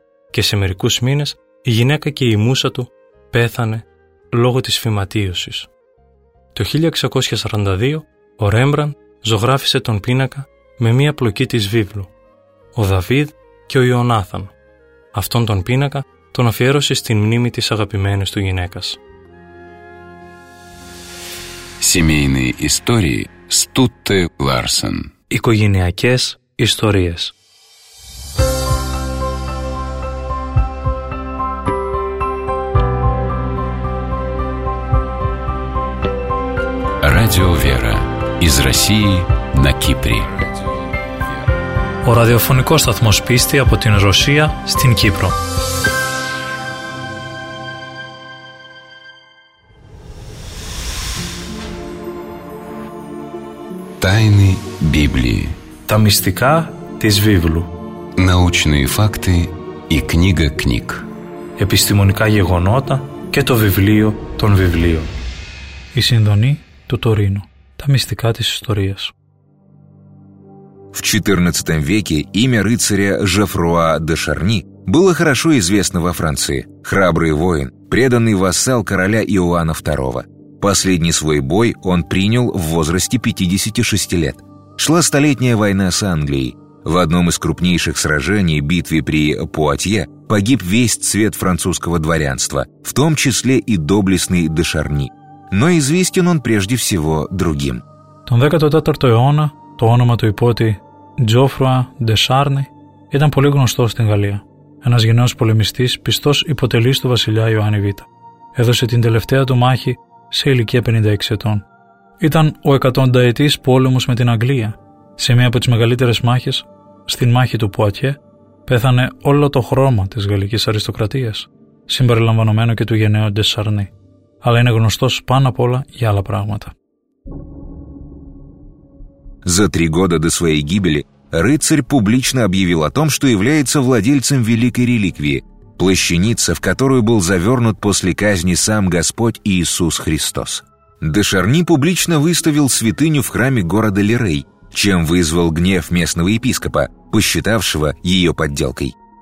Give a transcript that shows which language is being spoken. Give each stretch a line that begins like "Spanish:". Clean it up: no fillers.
Greek: Και σε μερικούς μήνες η γυναίκα και η μούσα του πέθανε λόγω της φυματίωσης. Το 1642 ο Ρέμπραν ζωγράφισε τον πίνακα με μία πλοκή της βίβλου, ο Δαβίδ και ο Ιωνάθαν. Αυτόν τον πίνακα τον αφιέρωσε στην μνήμη της αγαπημένης του γυναίκας.
Russian: Семейные истории Стутте Ларсен.
Greek: Οικογενειακές ιστορίες.
Russian: Радио Вера. Из России на Кипре.
Greek: О радиофонико сатмос писти από την Ρωσία στην Κύπρο.
Russian: Тайны Библии.
Greek: Та мистика της Βίβλου.
Russian: Научные факты и книга книг.
Greek: Επιστημονικά γεγονότα και το βιβλίο των βιβλίων. Η συνδονή του Τωρίνου, τα μυστικά της ιστορίας.
Russian: В XIV веке имя рыцаря Жофруа де Шарни было хорошо известно во Франции. Храбрый воин, преданный вассал короля Иоанна II. Последний свой бой он принял в возрасте 56 лет. Шла столетняя война с Англией. В одном из крупнейших сражений, битве при Пуатье, погиб весь цвет французского дворянства, в том числе и доблестный де Шарни. Но известен он прежде всего другим.
Greek: Τον 14ο αιώνα, το όνομα του υπότη Geoffroy de Charny ήταν πολύ γνωστό στην Γαλλία. ένας γενναίος πολεμιστής, πιστός υποτελής του βασιλιά Ιωάννη Β. Έδωσε την τελευταία του μάχη σε ηλικία 56 ετών. Ήταν ο εκατονταετής πόλεμος με την Αγγλία. Σε μία από τις μεγαλύτερες μάχες, στην μάχη του Πουατιέ, πέθανε όλο το χρώμα της γαλλικής αριστοκρατίας, συμπεριλαμβανομένο και του γενναίου Ντεσαρνή. Αλλά είναι γνωστός πάνω απ' όλα για άλλα πράγματα.
Russian: За три года до своей гибели рыцарь публично объявил о том, что является владельцем великой реликвии – плащаницы, в которую был завернут после казни сам Господь Иисус Христос. Дешарни публично выставил святыню в храме города Лирей, чем вызвал гнев местного епископа, посчитавшего ее подделкой.